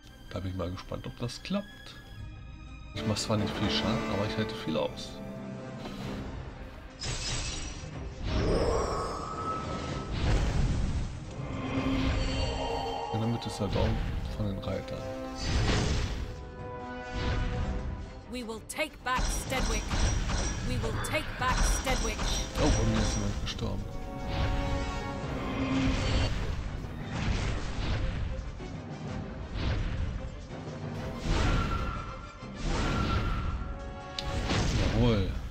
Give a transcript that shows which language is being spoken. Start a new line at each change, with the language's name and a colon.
German: Da bin ich mal gespannt, ob das klappt. Ich mache zwar nicht viel Schaden, aber ich halte viel aus. In der Mitte ist der Daumen von den Reitern.
English: We will take back Stedwick. We will take back Stedwick.
German: Oh, bei mir ist jemand gestorben. Jawohl.